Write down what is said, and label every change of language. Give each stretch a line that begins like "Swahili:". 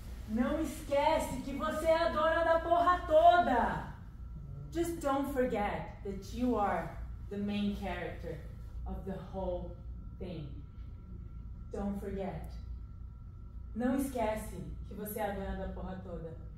Portuguese: Não esquece que você é a dona da porra toda!
English: Just don't forget that you are the main character of the whole thing. Don't forget.
Portuguese: Não esquece que você é a dona da porra toda.